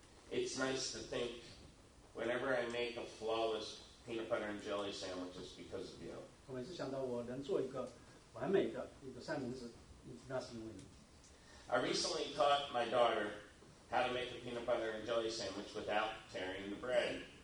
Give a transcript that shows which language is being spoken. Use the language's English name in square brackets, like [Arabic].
[English] It's nice to think whenever I make a flawless peanut butter and jelly sandwich, it's because of you. [Chinese] 我每次想到我能做一个完美的一个三明治，那是因为你。 [English] I recently taught my daughter how to make a peanut butter and jelly sandwich without tearing the bread.